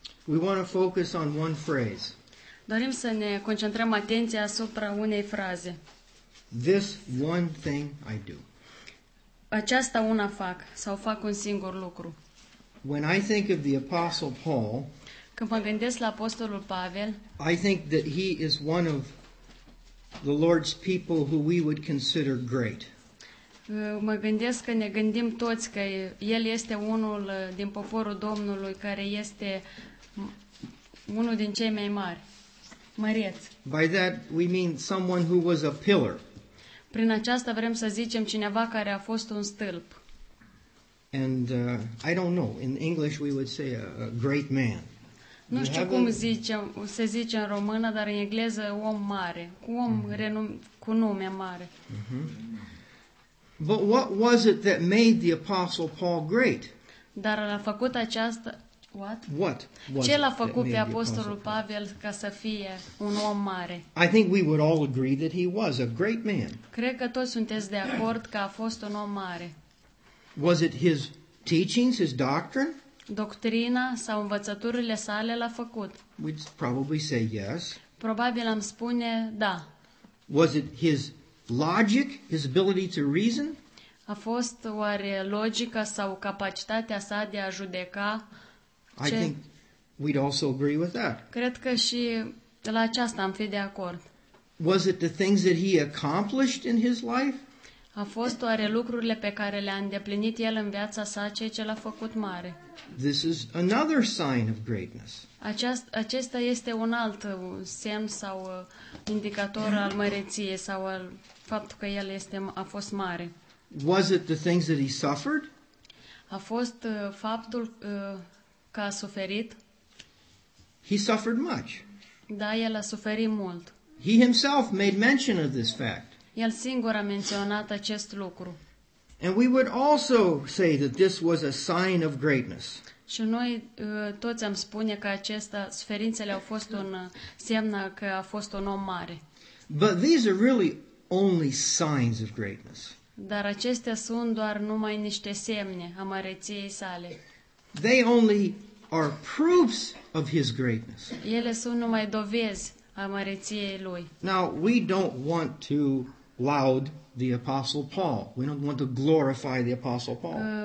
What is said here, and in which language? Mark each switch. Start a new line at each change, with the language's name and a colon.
English: We want to focus on one phrase.
Romanian: Dorim să ne concentrăm atenția asupra unei fraze.
English: This one thing I do.
Romanian: Aceasta una fac, sau fac un singur lucru.
English: When I think of the Apostle Paul,
Romanian: când mă gândesc la Apostolul Pavel,
English: I think that he is one of the Lord's people who we would consider great.
Romanian: Mă gândesc că ne gândim toți că el este unul din poporul Domnului care este unul din cei mai mari, măreț.
English: By that we mean someone who was a pillar.
Romanian: Prin aceasta vrem să zicem cineva care a fost un stâlp.
English: And I don't know. In English, we would say a great man.
Romanian: Nu știu cum se zice în română, dar în engleză om mare, om cu nume mare.
English: But what was it that made the Apostle Paul great?
Romanian: Dar l-a făcut aceasta.
English: What? What?
Romanian: Ce l-a făcut pe Apostolul Pavel ca să fie un om mare?
English: I think we would all agree that he was a great man.
Romanian: Cred că toți sunteți de acord că a fost un om mare.
English: Was it his teachings, his doctrine?
Romanian: Doctrina sau învățăturile sale l-a făcut?
English: We'd probably say yes.
Romanian: Probabil am spune da.
English: Was it his logic, his ability to reason?
Romanian: A fost oare logica sau capacitatea sa de a judeca?
English: I think we'd also agree with that.
Romanian: Cred că și la aceasta am fi de acord.
English: Was it the things that he accomplished in his life?
Romanian: A fost oare lucrurile pe care le-a îndeplinit el în viața sa ceea ce l-a făcut mare?
English: This is another sign of greatness.
Romanian: Acesta este un alt semn sau indicator al măreției sau al faptului că el a fost mare.
English: Was it the things that he suffered?
Romanian: A fost faptul că a suferit?
English: He suffered much.
Romanian: Da, el a suferit mult.
English: He himself made mention of this fact.
Romanian: El singur a menționat acest lucru.
English: And we would also say that this was a sign of greatness.
Romanian: Și noi toți am spune că acestea, suferințele au fost un semn că a fost un om mare.
English: But these are really only signs of greatness.
Romanian: Dar acestea sunt doar numai niște semne a măreției sale.
English: They only are proofs of his greatness.
Romanian: Ele sunt numai dovezi a măreției lui.
English: Now, we don't want to laud the Apostle Paul. We don't want to glorify the Apostle Paul.